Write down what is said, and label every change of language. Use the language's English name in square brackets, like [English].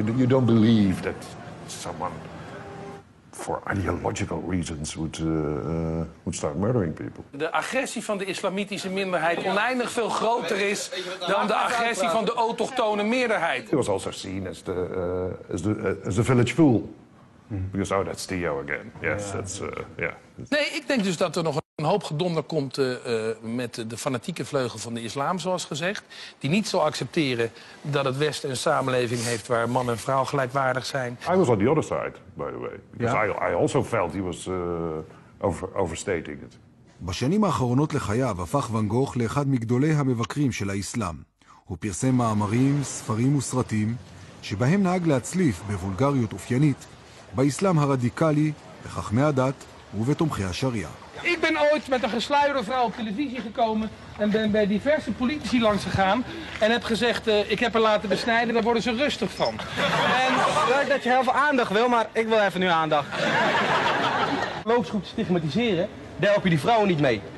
[English] You don't believe that someone, for ideological reasons, would start murdering people. [Dutch] De agressie van de islamitische minderheid oneindig veel groter is dan de agressie van de autochtone meerderheid. [English] He was also seen as the village fool. Because, oh, that's Theo again. Yes, yeah. That's, yeah. [Dutch] Nee, ik denk dus dat er nog een hoop gedonder komt met de fanatieke vleugel van de islam, zoals gezegd. Die niet zal accepteren dat het Westen een samenleving heeft waar man en vrouw gelijkwaardig zijn. [English] I was on the other side, by the way. Because yeah. I also felt he was overstating it. [Hebrew] בשנים האחרונות לחייו הפך ואן גוך לאחד מגדולי המבקרים של האסלאם. הוא פרסם מאמרים, ספרים וסרטים שבהם נהג להצליף בוולגריות אופיינית באסלאם הרדיקלי, בחכמי הדת ובתומכי השריעה. [Dutch] Ik ben ooit met een gesluierde vrouw op televisie gekomen en ben bij diverse politici langs gegaan en heb gezegd, ik heb haar laten besnijden, daar worden ze rustig van. En blijkt dat je heel veel aandacht wil, maar ik wil even uw aandacht. Loopsgroep stigmatiseren, daar help je die vrouwen niet mee.